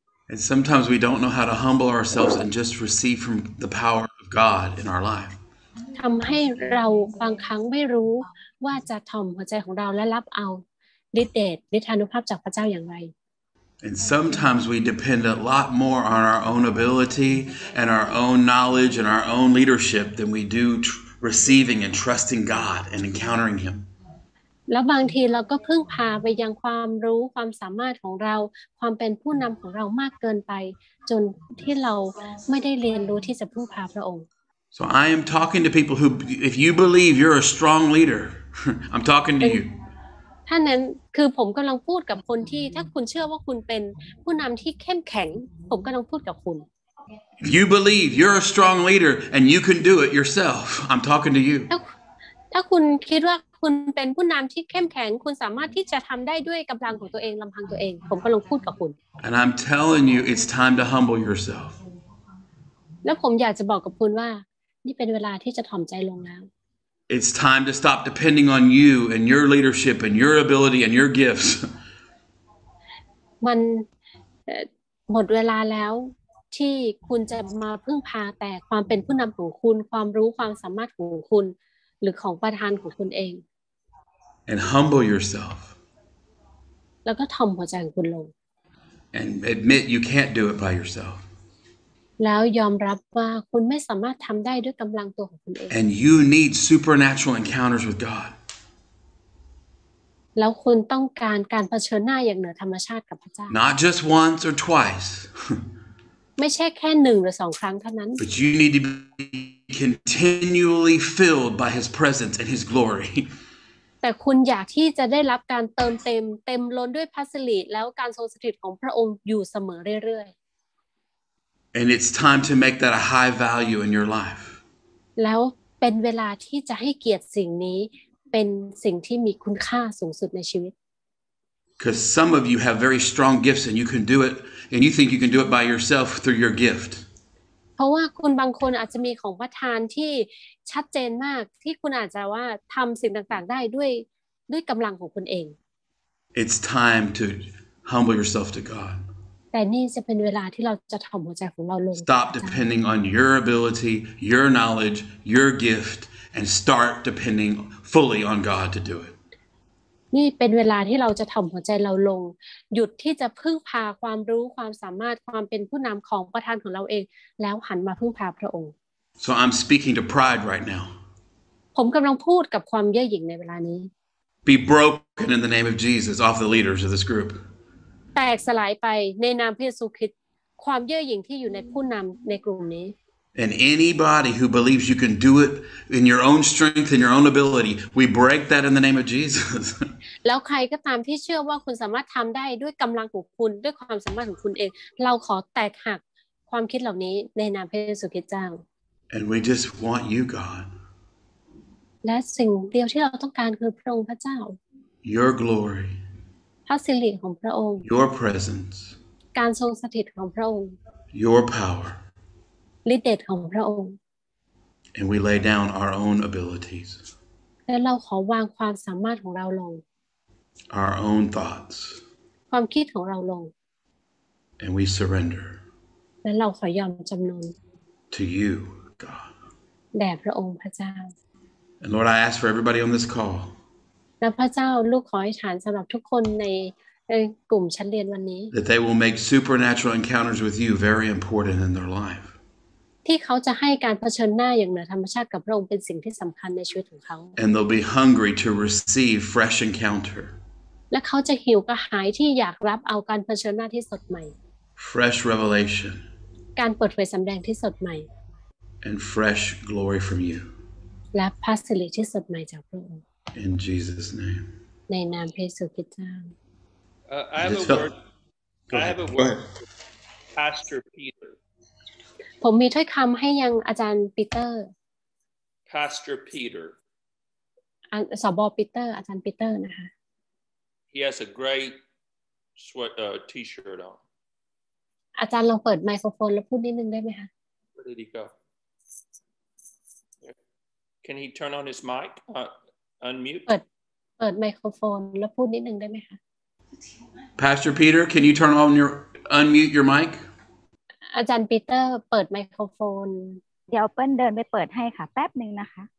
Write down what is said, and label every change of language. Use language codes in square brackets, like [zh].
[en] And sometimes we don't know how to humble ourselves and just receive from the power of God in our life. [th] ทำให้เราบางครั้งไม่รู้ว่าจะถ่อมหัวใจของเราและรับเอาฤทธิ์เดชฤทธานุภาพจากพระเจ้าอย่างไร [en] And sometimes we depend a lot more on our own ability and our own knowledge and our own leadership than we do receiving and trusting God and encountering him [th] แล้วบางทีเราก็พึ่งพาไปยังความรู้ความสามารถของเราความเป็นผู้นำของเรามากเกินไปจนที่เราไม่ได้เรียนรู้ที่จะพึ่งพาพระองค์ [en] So I am talking to people who, if you believe you're a strong leader, I'm talking to you. [th] ท่านนั้นคือผมกำลังพูดกับคนที่ถ้าคุณเชื่อว่าคุณเป็นผู้นำที่เข้มแข็งผมกำลังพูดกับคุณ [en] If you believe you're a strong leader and you can do it yourself, I'm talking to you. [th] ถ้าคุณคิดว่าคุณเป็นผู้นำที่เข้มแข็งคุณสามารถที่จะทำได้ด้วยกำลังของตัวเองลำพังตัวเองผมกำลังพูดกับคุณ [en] And I'm telling you, it's time to humble yourself. [th] แล้วผมอยากจะบอกกับคุณว่านี่เป็นเวลาที่จะถ่อมใจลงแล้ว [en] It's time to stop depending on you and your leadership and your ability and your gifts. [th] มันหมดเวลาแล้วที่คุณจะมาพึ่งพาแต่ความเป็นผู้นำของคุณความรู้ความสามารถของคุณหรือของประธานของคุณเอง [en] And humble yourself. [th] แล้วก็ถ่อมหัวใจของคุณลง [en] And admit you can't do it by yourself. [th] แล้วยอมรับว่าคุณไม่สามารถทำได้ด้วยกำลังตัวของคุณเอง [en] And you need supernatural encounters with God. [th] แล้วคุณต้องการการเผชิญหน้าอย่างเหนือธรรมชาติกับพระเจ้า [en] Not just once or twice. [th] ไม่ใช่แค่หนึ่งหรือสองครั้งเท่านั้น [en] But you need to be continually filled by His presence and His glory. [th] แต่คุณอยากที่จะได้รับการเติมเต็มเต็มล้นด้วยพระสิริแล้วการทรงสถิตของพระองค์อยู่เสมอเรื่อยๆ [en] And it's time to make that a high value in your life. [th] แล้วเป็นเวลาที่จะให้เกียรติสิ่งนี้เป็นสิ่งที่มีคุณค่าสูงสุดในชีวิต [en] Because some of you have very strong gifts and you can do it and you think you can do it by yourself through your gift. [th] เพราะว่าคุณบางคนอาจจะมีของประทานที่ชัดเจนมากที่คุณอาจจะว่าทำสิ่งต่างๆได้ด้วยกำลังของคุณเอง [en] It's time to humble yourself to God. [th] แต่นี่จะเป็นเวลาที่เราจะถ่อมหัวใจของเราลง [en] Stop depending on your ability, your knowledge, your gift, and start depending fully on God to do it. [th] นี่เป็นเวลาที่เราจะถ่อมหัวใจเราลงหยุดที่จะพึ่งพาความรู้ความสามารถความเป็นผู้นำของประธานของเราเองแล้วหันมาพึ่งพาพระองค์ [en] So I'm speaking to pride right now. [th] ผมกำลังพูดกับความเย่อหยิ่งในเวลานี้ [en] Be broken in the name of Jesus off the leaders of this group. [th] แตกสลายไปในนามพระเยซูคริสต์ความเย่อหยิ่งที่อยู่ในผู้นำในกลุ่มนี้ [en] And anybody who believes you can do it in your own strength and your own ability we break that in the name of Jesus [th] แล้วใครก็ตามที่เชื่อว่าคุณสามารถทำได้ด้วยกำลังของคุณด้วยความสามารถของคุณเองเราขอแตกหักความคิดเหล่านี้ในนามพระเยซูคริสต์เจ้า [en] And we just want you God [th] และสิ่งเดียวที่เราต้องการคือพระองค์พระเจ้า [en] Your glory [th] พระสิริของพระองค์ [en] Your presence [th] การทรงสถิตของพระองค์ [en] Your power [th] ฤทธิ์เดชของพระองค์ [en] And we lay down our own abilities [th] และเราขอวางความสามารถของเราลง [en] Our own thoughts [th] ความคิดของเราลง [en] And we surrender [th] และเราขอยอมจำนน [en] To you God [th] แด่พระองค์พระเจ้า [en] And Lord, I ask for everybody on this call. [th] และพระเจ้าลูกขออธิษฐานสำหรับทุกคนในกลุ่มชั้นเรียนวันนี้ [en] That they will make supernatural encounters with you very important in their life. [th] ที่เขาจะให้การเผชิญหน้าอย่างเหนือธรรมชาติกับพระองค์เป็นสิ่งที่สำคัญในชีวิตของเขา [en] And they'll be hungry to receive fresh encounter. [th] และเขาจะหิวกระหายที่อยากรับเอาการเผชิญหน้าที่สดใหม่ [en] Fresh revelation. [th] การเปิดเผยสำแดงที่สดใหม่ [en] and fresh glory from you [th] และพระสิริที่สดใหม่จากพระองค์ [en] in Jesus name [th] ในนามพระเยซูคริสต์เจ้า [en] I have a word Pastor Peter [th] ผมมีถ้อยคำให้ยังอาจารย์ปีเตอร์ [en] Pastor Peter [th] สบปีเตอร์อาจารย์ปีเตอร์นะคะ [en] He has a great sweat t-shirt on [th] อาจารย์ลองเปิดไมโครโฟนแล้วพูดนิดนึงได้ไหมคะ [en] Where did he go? Can he turn on his mic? Unmute? [th] เปิดไมโครโฟนแล้วพูดนิดนึงได้ไหมคะ [en] Pastor Peter, can you turn on your unmute your mic? [th] อาจารย์ปีเตอร์เปิดไมโครโฟน เดี๋ยวเปิ้ลเดินไปเปิดให้ค่ะแป๊บนึงนะคะ